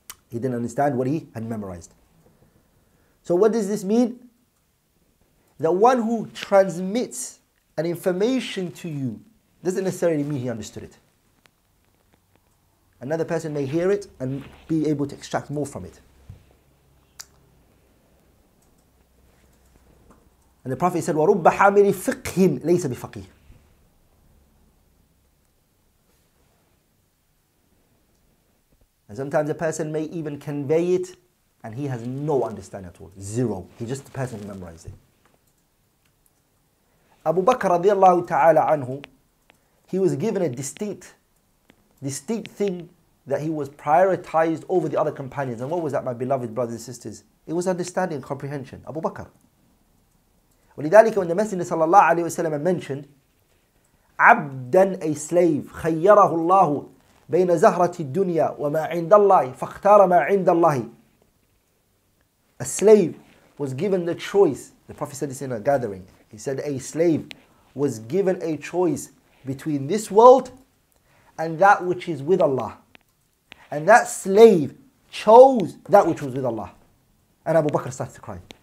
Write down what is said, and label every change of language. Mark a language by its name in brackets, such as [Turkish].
[English] He didn't understand what he had memorized. So what does this mean? The one who transmits an information to you doesn't necessarily mean he understood it. Another person may hear it and be able to extract more from it. And the Prophet said, [Arabic] وَرُبَّ حَامِلِ فِقْهٍ لَيْسَ بِفَقِيهٍ. [English] And sometimes a person may even convey it and he has no understanding at all. Zero. He's just the person who memorized it. Abu Bakr radiallahu ta'ala anhu, he was given a distinct thing that he was prioritized over the other companions. And what was that, my beloved brothers and sisters? It was understanding and comprehension. Abu Bakr. [Arabic] ولذلك, [English] when the Messenger sallallahu alayhi wa sallam mentioned, [Arabic] عبدًا, [English] a slave, [Arabic] خيره الله بين زهرة الدنيا وما عند الله فاختار ما عند الله. [English] A slave was given the choice. The Prophet said this in a gathering. He said a slave was given a choice between this world and that which is with Allah. And that slave chose that which was with Allah. And Abu Bakr started to cry.